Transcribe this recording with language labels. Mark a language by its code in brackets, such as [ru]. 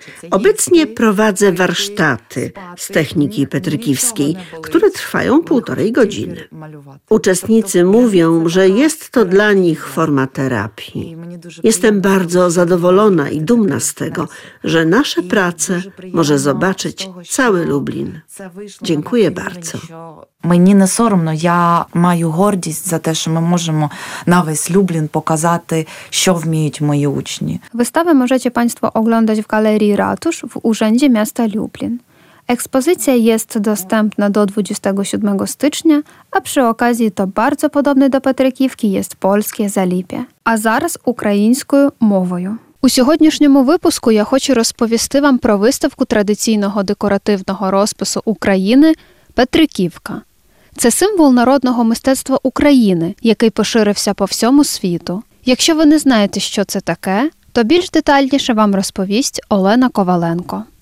[pl] Obecnie prowadzę warsztaty z techniki petrykiwskiej, które trwają 1,5 godziny. Uczestnicy mówią, że jest to dla nich forma terapii. Jestem bardzo zadowolona i dumna z tego, że nasze prace może zobaczyć cały Lublin. Dziękuję bardzo. [uk] Мені не соромно, я маю гордість за те, що ми можемо на весь Люблін показати, що вміють мої учні. Виставу можете [pl] Państwo oglądać w galerii Ratusz w Urzędzie Miasta Lublin. Ekspozycja jest dostępna do 27 stycznia, a przy okazji to bardzo podobny do Petrykiwki jest polskie Zalipie, a zaraz ukraińskою мовою. [uk] У сьогоднішньому випуску я хочу розповісти вам про виставку традиційного декоративного розпису України «Петриківка». Це символ народного мистецтва України, який поширився по всьому світу. Якщо ви не знаєте, що це таке, то більш детальніше вам розповість Олена Коваленко.